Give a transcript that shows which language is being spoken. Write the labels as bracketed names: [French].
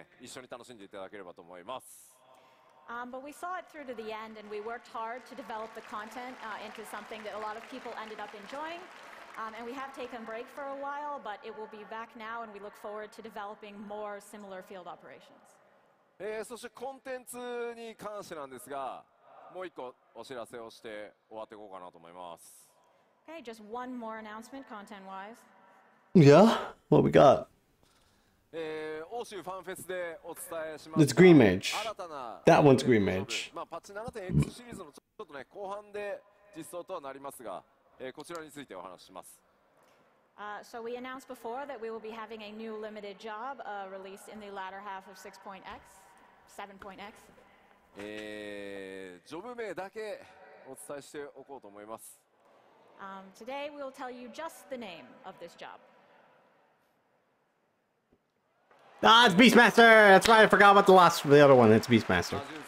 [English] But we saw it through to the end, and we worked hard to develop the content into something that a lot of people ended up enjoying. And we have taken a break for a while, but it will be back now, and we look forward to developing more similar field operations. [Japanese] そしてコンテンツに関してなんですが、もう一個お知らせをして終わっていこうかなと思います。 [English] Okay, just one more announcement content wise. Yeah, what we got? It's Green Mage. That one's Green Mage. [Japanese] まあ、パッチ 7.X シリーズのちょっとね、後半で実装とはなりますが、こちらについてお話します。 [English] So we announced before that we will be having a new limited job, released in the latter half of 6.X, 7.X. [Japanese] ジョブ名だけお伝えしておこうと思います。 [English] Today we will tell you just the name of this job. Ah, it's Beastmaster! That's right, I forgot about the other one. It's Beastmaster.